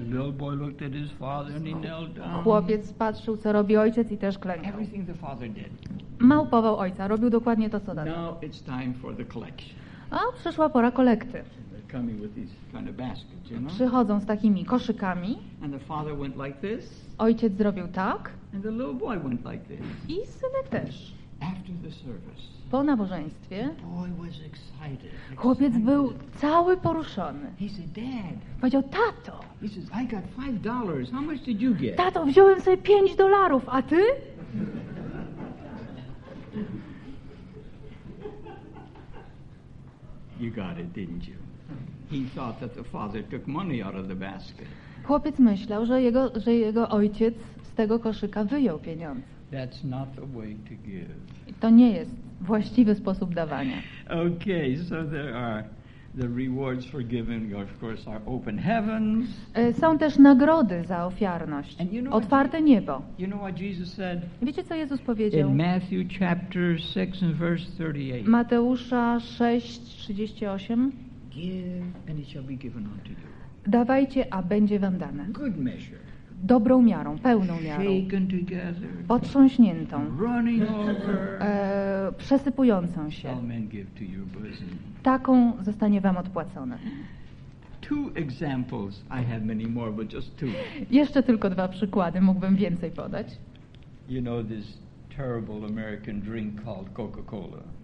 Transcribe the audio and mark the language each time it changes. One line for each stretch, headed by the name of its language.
English: the little boy looked at his father and he knelt down.
Polish: Chłopiec patrzył, co robi ojciec, i też klękał.
English: Everything the father did.
Polish: Małpował ojca, robił dokładnie to, co dał.
English: Now it's time for the collection.
Polish: A przyszła pora kolekty.
English: Coming with these kind of baskets, you know?
Polish: Przychodzą z takimi koszykami.
English: And the father went like this.
Polish: Ojciec zrobił tak.
English: And the little boy went like this.
Polish: I synek też.
English: After the service,
Polish: po nabożeństwie,
English: the boy was excited.
Polish: Chłopiec był cały poruszony.
English: He said, Dad,
Polish: powiedział, tato.
English: He says, I got $5. How much did you get?
Polish: Tato, wziąłem sobie $5, a ty?
English: You got it, didn't you? He thought that the father took money out of the basket.
Polish: Chłopiec myślał, że jego ojciec z tego koszyka wyjął pieniądze.
English: That's not the way to give.
Polish: To nie jest właściwy sposób dawania.
English: Okay, so there are the rewards for giving, of course, are open heavens.
Polish: Są też nagrody za ofiarność.
English: And you know
Polish: otwarte
English: what,
Polish: niebo.
English: You know what Jesus said?
Polish: Wiecie, co Jezus powiedział?
English: In Matthew chapter 6 and verse 38.
Polish: Mateusza 6:38.
English: Give and it shall be given unto you.
Polish: Dawajcie, a będzie wam dane.
English: Good measure.
Polish: Dobrą miarą, pełną miarą.
English: Shaken together.
Polish: Potrząśniętą.
English: Running over.
Polish: Przesypującą się.
English: Shall men give to your bosom.
Polish: Taką zostanie wam odpłacone.
English: Two examples. I have many more, but just two.
Polish: Jeszcze tylko dwa przykłady, mógłbym więcej podać.
English: You know this terrible American drink called Coca-Cola.